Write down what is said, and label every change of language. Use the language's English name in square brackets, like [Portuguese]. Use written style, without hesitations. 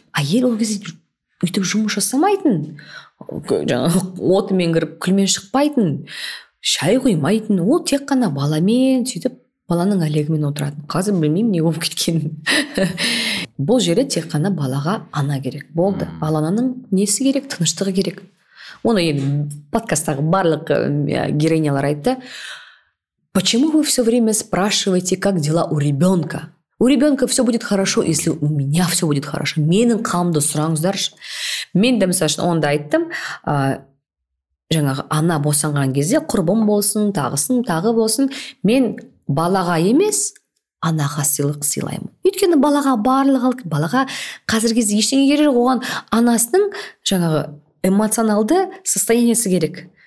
[Kazakh] Әйел ол кезде үйде жұмыс жасамайтын, жаңағы отымен кіріп күлмен шықпайтын, шай қоймайтын, ол тек қана баламен сөйтіп баланың әлегімен отыратын. Қазір білмеймін не болып кеткен. Бұл жерде тек қана балаға ана керек болды. Ал ананың несі керек? Тыныштығы керек. Оны енді подкасттағы барлық геройлар айтты. [Russian] Почему вы все время спрашиваете, как дела у ребенка? У ребенка все будет хорошо, если у меня все будет хорошо. [Kazakh] Менің қамды сұраңыздаршы. Мен де мысалы онда айттым, жаңағы ана босанған кезде құрбым болсын, тағысын, тағы болсын, мен балаға емес, анаға сыйлық сыйлаймын. Өйткені балаға барлық алып, балаға қазір кезде ештеңе керек, оған анасының жаңағы эмоционалды состояниесі керек.